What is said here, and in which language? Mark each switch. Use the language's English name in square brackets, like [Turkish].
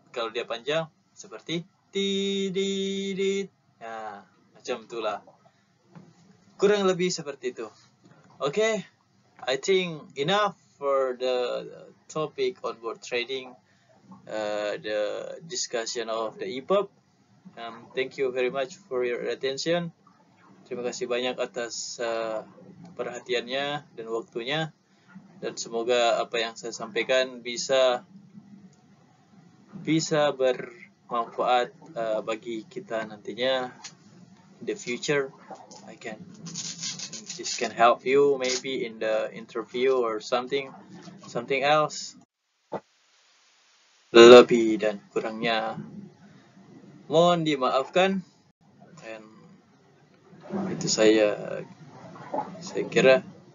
[Indonesian] Kalau dia panjang seperti tididit, ya macam itulah, kurang lebih seperti itu. [English] Oke, okay, I think enough for the topic on board trading, the discussion of the EPUB. Thank you very much for your attention. [Indonesian] Terima kasih banyak atas perhatiannya dan waktunya, dan semoga apa yang saya sampaikan bisa bermanfaat bagi kita nantinya. [English] In the future, I can this can help you maybe in the interview or something else. [Indonesian] Lebih dan kurangnya mohon dimaafkan, dan itu saya kira.